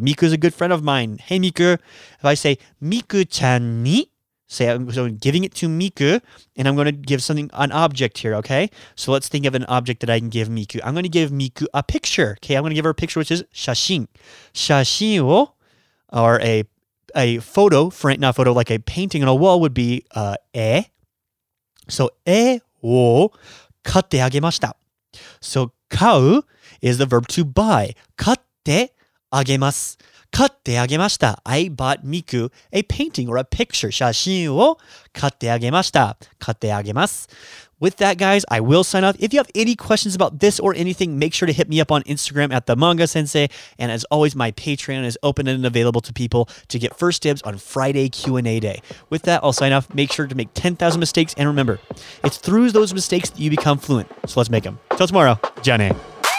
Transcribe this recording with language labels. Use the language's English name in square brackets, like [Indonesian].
[English] Miku is a good friend of mine. Hey, Miku. If I say Miku-chan ni, say so I'm giving it to Miku, and I'm going to give something an object here, okay? So let's think of an object that I can give Miku. I'm going to give Miku a picture, okay? I'm going to give her a picture, which is 写真. 写真 wo, or a photo, not photo, like a painting on a wall would be 絵. [Japanese] So 絵を買ってあげました. [English] So 買う is the verb to buy. [Japanese] 買ってあげます。買ってあげました. [English] I bought Miku a painting or a picture. [Japanese] 写真を買ってあげました。買ってあげます。 [English] With that, guys, I will sign off. If you have any questions about this or anything, make sure to hit me up on Instagram at TheMangaSensei. And as always, my Patreon is open and available to people to get first dibs on Friday Q&A day. With that, I'll sign off. Make sure to make 10,000 mistakes. And remember, it's through those mistakes that you become fluent. So let's make them. Till tomorrow. [Chinese] 加油.